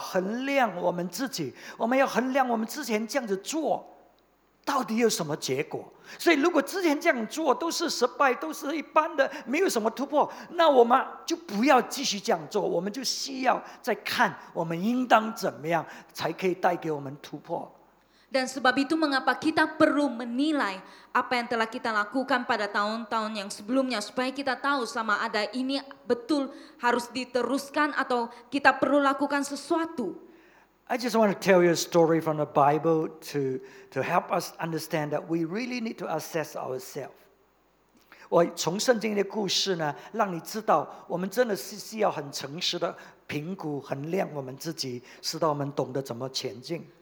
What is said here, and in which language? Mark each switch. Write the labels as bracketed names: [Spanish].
[Chinese] 所以这个就是为什么我们需要衡量我们自己, 我们要衡量我们之前这样子做, 到底有什么结果? 所以如果之前这样做都是失败, 都是一般的, 没有什么突破, 那我们就不要继续这样做, 我们就需要再看, 我们应当怎么样, 才可以带给我们突破。 [Malay] Dan sebab itu mengapa kita perlu menilai apa yang telah kita lakukan pada tahun-tahun yang sebelumnya supaya kita tahu sama ada ini betul harus diteruskan atau kita perlu lakukan sesuatu. [English] I just want to tell you a story from the Bible to help us understand that we really need to assess ourselves. [Chinese] 我从圣经的故事呢, 让你知道我们真的是需要很诚实的评估衡量我们自己, 使到我们懂得怎么前进。